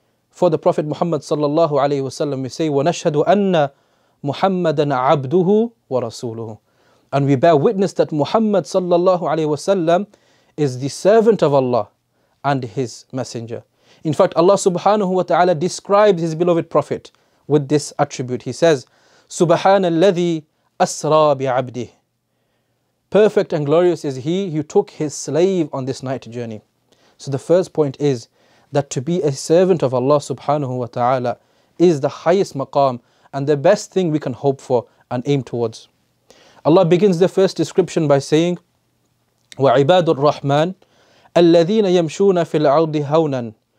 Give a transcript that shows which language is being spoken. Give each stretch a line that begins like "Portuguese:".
English: For the Prophet Muhammad sallallahu alayhi wa sallam, we say,
Arabic: وَنَشْهَدُ أَنَّ مُحَمَّدًا عَبْدُهُ وَرَسُولُهُ.
English: And we bear witness that Muhammad sallallahu alayhi wa sallam is the servant of Allah and His messenger. In fact, Allah subhanahu wa ta'ala describes His beloved Prophet with this attribute. He says,
Arabic: سُبْحَانَ الَّذِي أَسْرَى بِعَبْدِهِ.
English: Perfect and glorious is He who took His slave on this night journey. So the first point is that to be a servant of Allah subhanahu wa ta'ala is the highest maqam and the best thing we can hope for and aim towards. Allah begins the first description by saying,
Arabic: وَعِبَادُ الرَّحْمَنِ أَلَّذِينَ يَمْشُونَ فِي الْأَرْضِ هَوْنًا.